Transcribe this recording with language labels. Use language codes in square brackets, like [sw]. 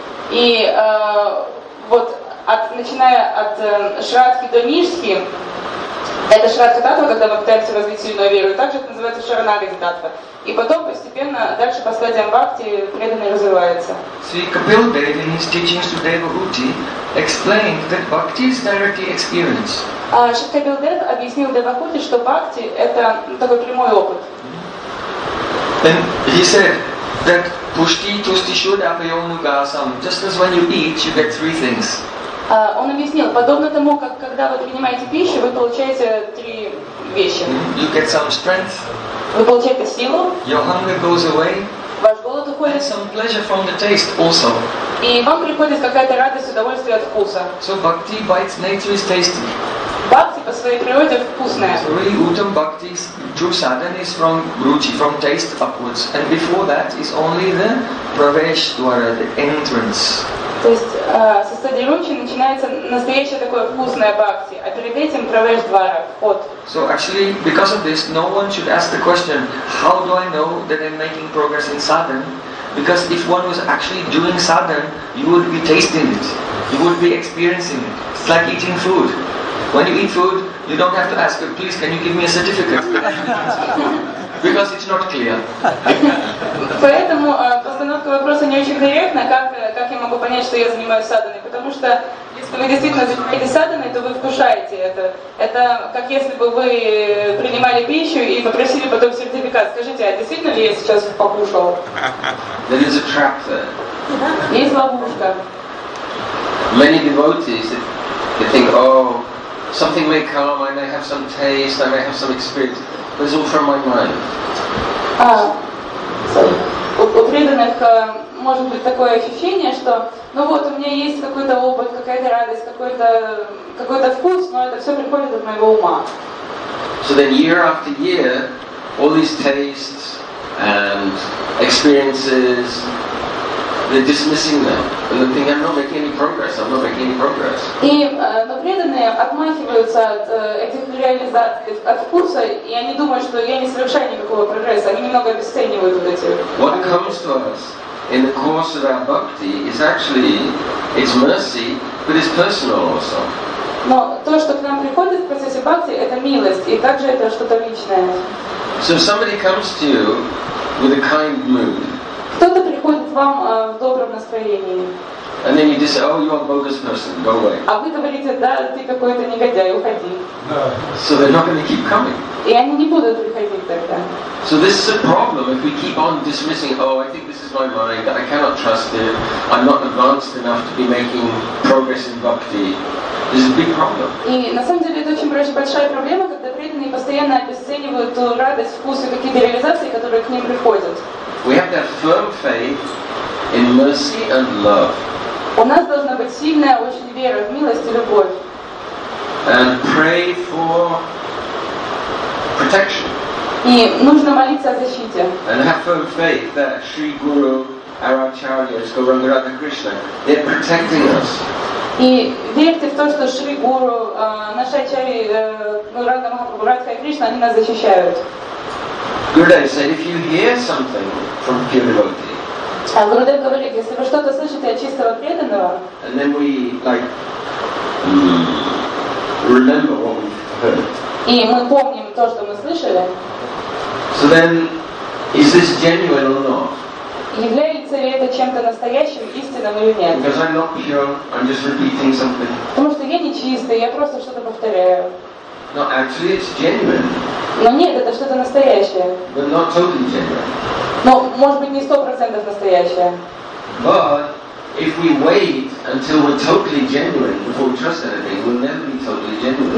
[ru] И вот, начиная от шрадхи до нишхи, это шрадха татва, когда мы пытаемся развить сильную веру, и также это называется шаранагати татва. И потом постепенно дальше по стадиям бхакти преданный развивается. [en] Sri Kapil Devi in his teachings to Devahuti explained that bhakti is directly experienced. [ru] Шри Кабил Дев объяснил Девахути, что бхакти это такой прямой опыт. [en] Then he said that [sa] pushti tusti shuddha payonu gasam. [en] Just as when you eat, you get three things. [ru] Он объяснил, подобно тому, как когда вы принимаете пищу, вы получаете три вещи. [en] You get some strength. [ru] Вы получаете силу. [en] Your hunger goes away. [ru] Ваш голод уходит. [en] And some pleasure from the taste also. [ru] И вам приходит какая-то радость, удовольствие от вкуса. [en] So bhakti by its nature is tasty. [ru] Бхакти по своей природе вкусная. [en] So really, uttam bhakti, true sadhana is from ruchi, from taste upwards. And before that is only the pravesh dwara, the entrance. [ru] То есть со стадии ручи начинается настоящее такое вкусное бхакти, а перед этим правеш двара, вход. [en] So actually, because of this, no one should ask the question, how do I know that I'm making progress in sadhana? Because if one was actually doing sadhana, you would be tasting it, you would be experiencing it. It's like eating food. When you eat food, you don't have to ask, please, can you give me a certificate? Because it's not clear. [ru] Поэтому постановка вопроса не очень корректна, как я могу понять, что я занимаюсь садханой. Потому что если вы действительно занимаетесь садханой, то вы вкушаете это. Это как если бы вы принимали пищу и попросили потом сертификат. Скажите, а действительно ли я сейчас покушал? [en] There is a trap there. [ru] Есть ловушка. [en] Many devotees, they think, oh, something may come, I may have some taste, I may have some experience. It's all from my mind. [ru] У преданных может быть такое ощущение, что ну вот у меня есть какой-то опыт, какая-то радость, какой-то вкус, но это все приходит от моего ума. [en] So then year after year, all these tastes and experiences, they're dismissing them. And they think, I'm not making any progress, I'm not making any progress. [ru] И преданные отмахиваются от этих реализаций, от вкуса, и они думают, что я не совершаю никакого прогресса, они немного обесценивают вот эти... [en] What comes to us in the course of our bhakti is actually, it's mercy, but it's personal also. [ru] Но то, что к нам приходит в процессе бхакти, это милость, и также это что-то личное. [en] So if somebody comes to you with a kind mood, [ru] кто-то приходит к вам в добром настроении. [en] And then you just say, oh, you're a bogus person, go away. [ru] А вы говорите, да, ты какой-то негодяй, уходи. [en] No. So they're not going to keep coming. [ru] И они не будут приходить тогда. [en] So this is a problem if we keep on dismissing, oh, I think this is my mind, I cannot trust it, I'm not advanced enough to be making progress in bhakti. This is a big problem. [ru] И на самом деле это очень большая проблема, когда преданные постоянно обесценивают ту радость, вкус и какие-то реализации, которые к ним приходят. [en] We have that firm faith in mercy and love. [ru] У нас должна быть сильная очень вера в милость и любовь. [en] And pray for protection. [ru] И нужно молиться о защите. [en] And have firm faith that Sri Guru, our Acharyas, Gauranga Radha Krishna, they're protecting us. [ru] И верьте в то, что Шри Гуру, наши Ачарьи, Гауранга Махапрабху, Радха и Кришна, они нас защищают. [en] Gurudev said, if you hear something from pure devotee, [ru] Gurudev говорит, если вы что-то слышите от чистого преданного, [en] and then we like remember what we heard. [ru] И мы помним то, что мы слышали. [en] So then, is this genuine or not? [ru] Является ли это чем-то настоящим, истинным или нет? [en] Because I'm not pure, I'm just repeating something. [ru] Потому что я не чистый, я просто что-то повторяю. [en] No, actually, it's genuine. [ru] Но нет, это что-то настоящее. [en] But not totally genuine. [ru] Но, может быть, не 100% настоящее. [en] But if we wait until we're totally genuine before we trust anything, we'll never be totally genuine.